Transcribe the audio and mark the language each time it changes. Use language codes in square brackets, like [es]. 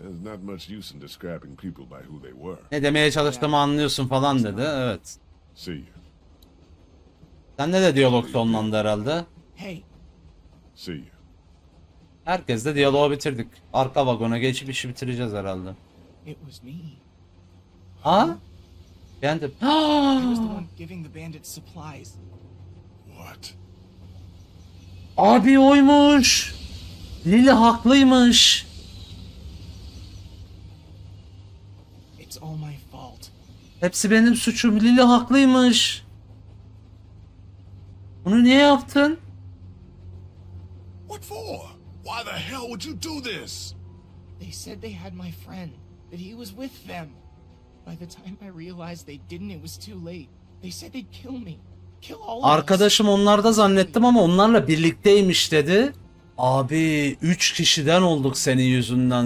[en] There's not much use in describing people by who they were. [tr] Ne demeye çalıştığımı anlıyorsun falan dedi. Evet. [en] See you. [tr] Sende de diyalog sonlandı herhalde. [en] Hey. See you. [tr] Herkes de diyaloğu bitirdik. Arka vagona geçip işi bitireceğiz herhalde. [en] It was me. Ha? Bandit. He was the one giving the bandit supplies. What? [tr] Abi oymuş. Lily haklıymış. [en] It's all my fault. [tr] Hepsi benim suçum. Lily haklıymış. Bunu niye yaptın? [en] What for? Why the hell would you do this? They said they had my friend, that he was with them. By the time I realized they didn't, it was too late. They said they'd kill me. Kill all of us. [tr] Arkadaşım onlarda zannettim ama onlarla birlikteymiş dedi. Abi 3 kişiden olduk senin yüzünden.